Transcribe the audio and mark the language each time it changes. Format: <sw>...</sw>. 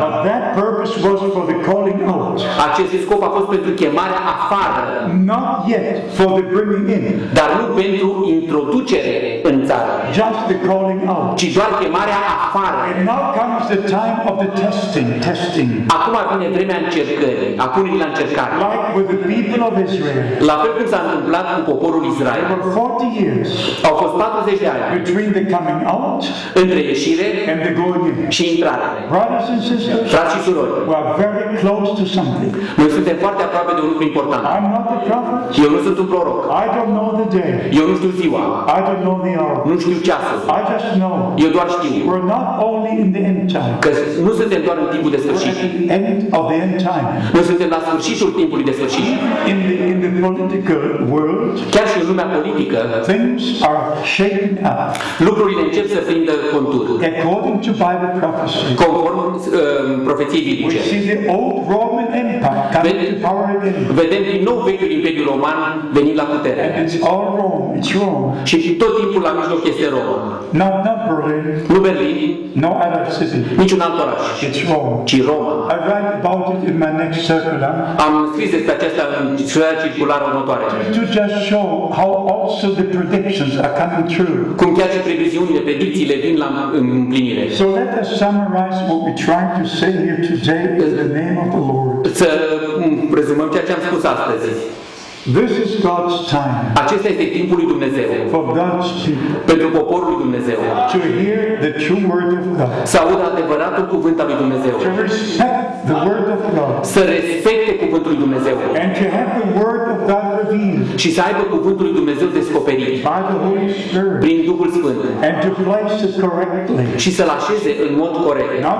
<en>But that purpose was for the calling out.</en> <ro>Acest scop a fost pentru chemarea afară.</ro> <en>Not yet for the bringing in.</en> <ro>Dar nu pentru introducere în țară.</ro> <en>Just the calling out.</en> <ro>Ci doar chemarea afară.</ro> <en>And now comes the time of the testing.</en> <ro>Acum vine vremea încercării, a punerii la încercare.</ro> <en>Like with the people of Israel.</en> <ro>La fel cum s-a întâmplat cu poporul Israel.</ro> <en>For 40 years.</en> <ro>Au fost 40 de ani.</ro> <en>Between the coming out.</en> <ro>Între ieșire.</ro> <en>And the going in.</en> <ro>Și intrare.</ro> <en>Brothers and sisters.</en> <ro>Frați și surori.</ro> <en>We are very close to something.</en> <ro>Noi suntem foarte aproape de un lucru important.</ro> <en>I'm not a prophet.</en> <ro>Eu nu sunt un proroc.</ro> <en>I don't know the day.</en> <ro>Eu nu știu ziua.</ro> <en>I don't know the hour.</en> <ro>Nu știu ceasul.</ro> <en>I just know.</en> <ro>Eu doar știu.</ro> <en>We're not only in the end time.</en> <ro>Că nu suntem doar în timpul de sfârșit.</ro> <en>End of the end time.</en> <ro>Noi suntem la sfârșitul timpului de sfârșit.</ro> <en>In the political world.</en> <ro>Chiar și în lumea politică.</ro> <en>Things are shaping up.</en> <ro>Lucrurile încep să prindă contur.</ro> <en>According to Bible prophecy.</en> <ro>Conform profeției biblice.</ro> <en>The old Roman Empire coming to power again.</en> <ro>Vedem din nou vechiul imperiu roman venind la putere.</ro> <en>And it's all wrong. It's wrong.</en> <ro>Și tot timpul la mijloc este rău.</ro> <en>Not Berlin.</en> <ro>Nu Berlin.</ro> <en>No other city.</en> <ro>Niciun alt oraș.</ro> <en>It's wrong.</en> <ro>Ci Roma.</ro> <en>I write about it in my next circular.</en> <ro>Am scris despre aceasta în circulară următoare.</ro> <en>To just show how also the predictions are coming true.</en> <ro>Cum chiar și previziunile, predicțiile vin la împlinire.</ro> <en>So let us summarize what we're trying to say here today.</en> <ro>Să rezumăm ceea ce am spus astăzi.</ro> <en>This is God's time.</en> <ro>Acesta este timpul lui Dumnezeu.</ro> <en>For God's</en> <ro>pentru poporul lui Dumnezeu.</ro> <en>To hear the true word of God.</en> <ro>Să audă adevăratul cuvânt al lui Dumnezeu.</ro> <en>To respect the word of God.</en> <ro>Să respecte cuvântul lui Dumnezeu.</ro> <en>And to have the word of God revealed.</en> <ro>Și să aibă cuvântul lui Dumnezeu descoperit. descoperit prin Duhul Sfânt și să-l așeze în mod corect.</ro>